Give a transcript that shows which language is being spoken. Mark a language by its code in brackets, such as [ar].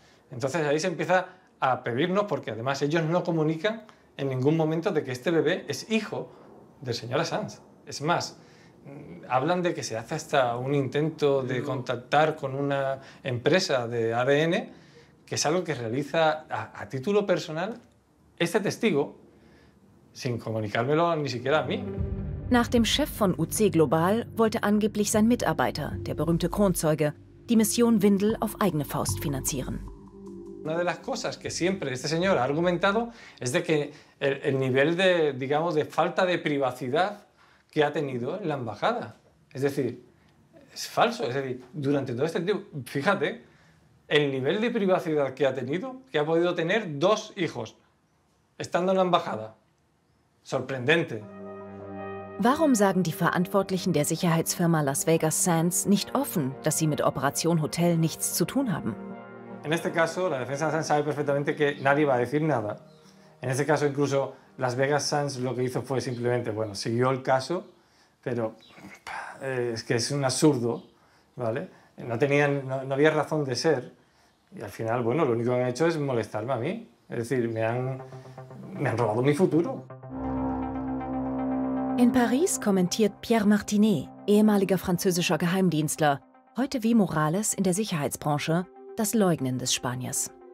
[es] Entonces ahí se empieza a pedirnos, porque además ellos no comunican en ningún momento de que este bebé es hijo del señor Assange. Es más, hablan de que se hace hasta un intento de contactar con una empresa de ADN, que es algo que realiza a título personal este testigo, sin comunicármelo ni siquiera a mí. [de] Nach dem Chef von UC Global wollte angeblich sein Mitarbeiter, der berühmte Kronzeuge, die Mission Windel auf eigene Faust finanzieren. [es] Una de las cosas que siempre este señor ha argumentado es de que el nivel de, de falta de privacidad que ha tenido en la embajada. Es decir, es falso. Es decir, durante todo este tiempo, fíjate, el nivel de privacidad que ha tenido, que ha podido tener dos hijos estando en la embajada. Sorprendente. [de] Warum sagen die Verantwortlichen der Sicherheitsfirma Las Vegas Sands nicht offen, dass sie mit Operation Hotel nichts zu tun haben? [es] En este caso, la defensa de Assange sabe perfectamente que nadie va a decir nada. En este caso, incluso Las Vegas Sands lo que hizo fue simplemente, bueno, siguió el caso, pero es que es un absurdo, ¿vale? No tenían, no había razón de ser. Y al final, bueno, lo único que han hecho es molestarme a mí. Es decir, me han robado mi futuro. [de] En París kommentiert Pierre Martinet, ehemaliger französischer Geheimdienstler, heute wie Morales in der Sicherheitsbranche, das Leugnen des Spaniers.